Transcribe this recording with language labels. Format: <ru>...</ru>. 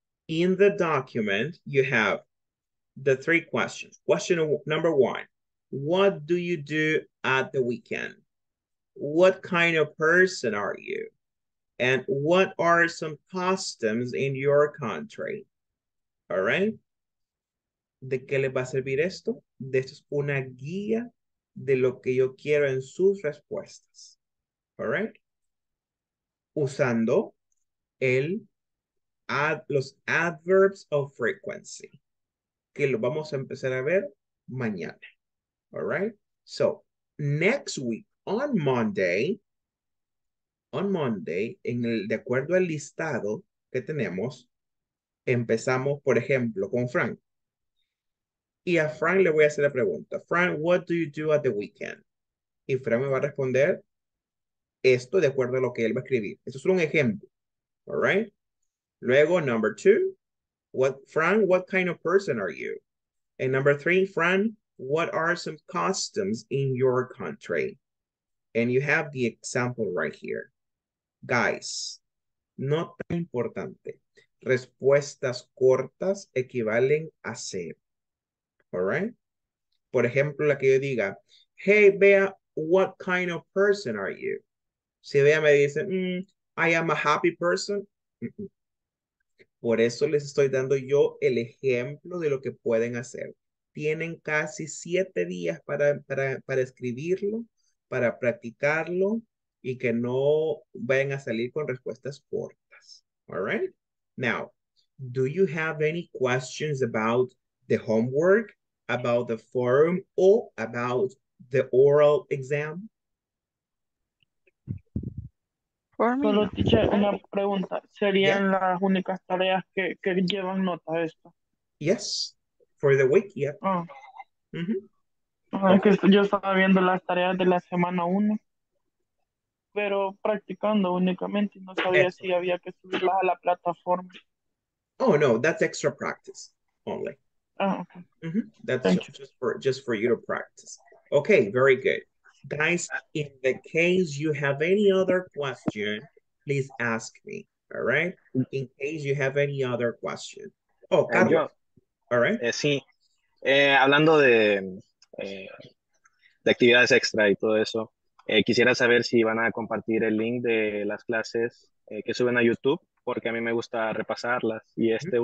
<en>In the document, you have the three questions. Question number one, what do you do at the weekend? What kind of person are you? And what are some customs in your country? All right.</en> <es>¿De qué les va a servir esto? Esto es una guía de lo que yo quiero en sus respuestas. All right. Usando los</es> <en>adverbs of frequency,</en> <es>que lo vamos a empezar a ver mañana.</es> <en>All right. So, next week, on Monday,</en> <es>de acuerdo al listado que tenemos, empezamos, por ejemplo, con Frank. Y a Frank le voy a hacer la pregunta.</es> <en>Frank, what do you do at the weekend?</en> <es>Y Frank me va a responder esto de acuerdo a lo que él va a escribir. Esto es un ejemplo.</es> <en>All right?</en> <es>Luego,</es> <en>number two. Frank, what kind of person are you? And number three, Frank, what are some customs in your country? And you have the example right here. Guys,</en> <es>no tan importante. Respuestas cortas equivalen a cero.</es> <en>All right?</en> <es>Por ejemplo, la que yo diga,</es> <en>hey, Bea, what kind of person are you?</en> <es>Si Bea me dice,</es> <en>I am a happy person. Mm-mm.</en> <es>Por eso les estoy dando yo el ejemplo de lo que pueden hacer. Tienen casi 7 días para escribirlo, para practicarlo. Y que no vayan a salir con respuestas cortas.</es> <en>All right? Now, do you have any questions about the homework, about the forum, or about the oral exam? For me.</en> <es>Solo, teacher, una pregunta. ¿Serían</es> <en>yeah.</en> <es>las únicas tareas que llevan nota de esto?</es> <en>Yes. For the week, yeah. Oh. Mm-hmm. Okay. Okay.</en> <es>Yo estaba viendo las tareas de la semana 1. Pero practicando únicamente, no sabía si había que subirlas a la plataforma.</es> <en>Oh, no, that's extra practice only. Oh, okay. Mm-hmm. That's just for you to practice. Okay, very good. Guys, in the case you have any other question, please ask me, all right? In case you have any other question. Oh, Carlos. All right?</en> <es>Sí. Hablando de actividades extra y todo eso, quisiera saber si van a compartir el link de las clases que suben a YouTube, porque a mí me gusta repasarlas y este mm-hmm.</es>